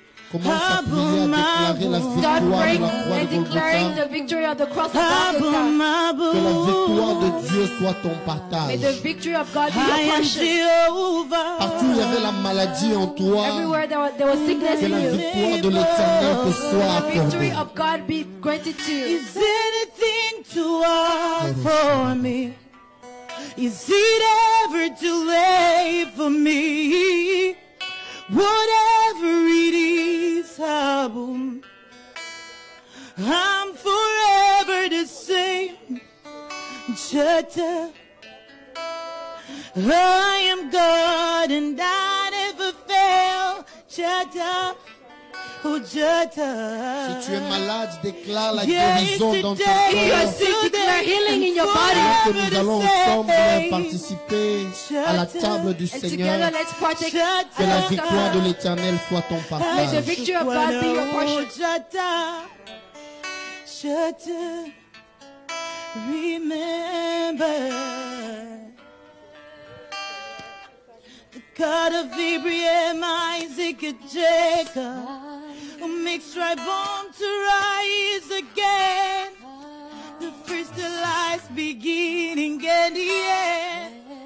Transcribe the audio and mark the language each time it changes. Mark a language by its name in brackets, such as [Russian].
[French] Commence à prier, à déclarer la victoire de la croix de Golgotha. Que la victoire de Dieu soit ton partage. [English] May the victory of God be your portion. [French] Partout où il y avait la maladie en toi, [English] everywhere there was sickness [French] que la victoire de l'éternel te soit accordée. [English] The victory of God be granted to you. Is anything too hard for me? Is it ever too late for me? Whatever it is, I'm forever the same. Jata, I am God and I never fail. Jata, oh Jata. [French] Si tu es malade, déclare la guérison dans ton corps. [English] If you are sick, declare healing in your body. [French] Nous allons ensemble participer à la table du Seigneur. Que la victoire de l'Éternel soit ton partage. [English] May the victory of God be your portion. Jata, Jata, remember. God of Abraham, Isaac, and Jacob, who makes dry bones to rise again, the first of life's beginning and the end.